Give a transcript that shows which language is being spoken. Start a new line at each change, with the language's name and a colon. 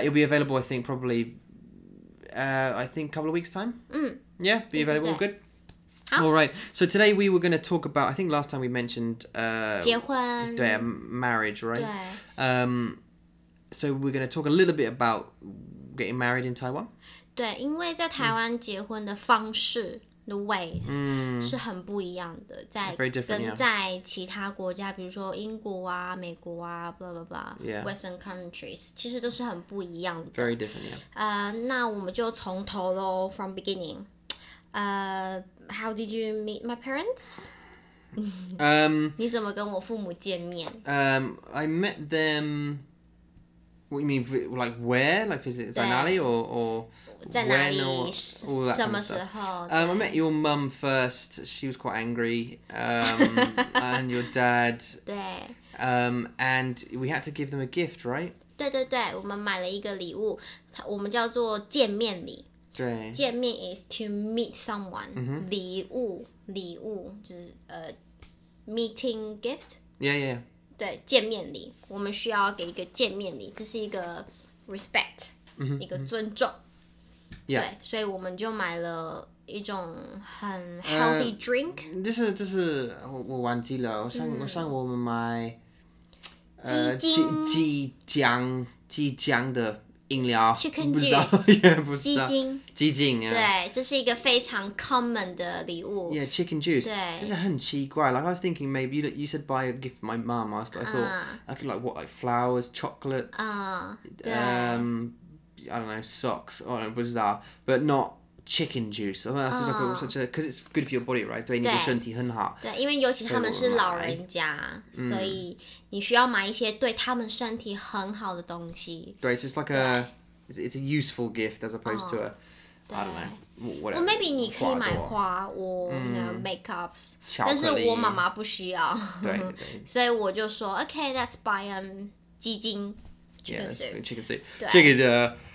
English: It'll be available, I think, probably, I think, a couple of weeks' time. Mm. Yeah, be available, all good. All right. So today we were going to talk about, I think last time we mentioned...
Chinese: 结婚。
English: 对, marriage, right?
Chinese: 对。
English: So we're going to talk a little bit about getting married in Taiwan.
Chinese: 对,因为在台湾结婚的方式...
English: The ways、
Chinese: 是很不一样的，在跟在其他国家，
English: yeah.
Chinese: 比如说英国啊、美国啊 ，blah blah blah，Western、
English: yeah.
Chinese: countries， 其实都是很不一样的。
English: Very different, yeah.
Chinese: 那我们就从头咯
English: ，from beginning. How did you meet my parents?
Chinese: 你怎么跟我父母见面
English: ？I met them. What you mean, like where? Like is it Zainali or?
Chinese: 在哪里？什么时候？
English: I met your mum first. She was quite angry. and your dad.
Chinese: 对。
English: And we had to give them a gift, right?
Chinese: 对对对，我们买了一个礼物，我们叫做见面礼。对。见面 is to meet someone.、 Mm-hmm. 礼物就是
English: meeting gift. Yeah.
Chinese: 对，见面礼，我们需要给一个见面礼，这是一个 respect,、 mm-hmm. 一个尊重。
English: Yeah.
Chinese: 对，所以我们就买了一种很 healthy drink. 这是我忘记了，我上我们买，鸡精的饮料
English: ，chicken juice，
Chinese: 不知道，鸡精啊。对，这是一个非常 common 的礼物。
English: Yeah, chicken juice.
Chinese: 对，这是很奇怪。
English: Like I was thinking, maybe you said buy a gift for my mom. I thought I could like what like flowers, chocolates. I don't know, socks, I don't know, what is that? But not chicken juice. I mean, that's such a, because it's good for your body, right?
Chinese: 对, 你的身体很好。对，因为尤其他们是老人家，所以你需要买一些对他们身体很好的东西。
English: 对, it's just like it's a useful gift as opposed to a, I don't know, whatever. Well, maybe
Chinese: 你可以买花
English: or you know, makeups.
Chinese: 但是我妈妈不需要。对。所以我就说,
English: okay, let's buy
Chinese: 鸡精。
English: Chicken soup.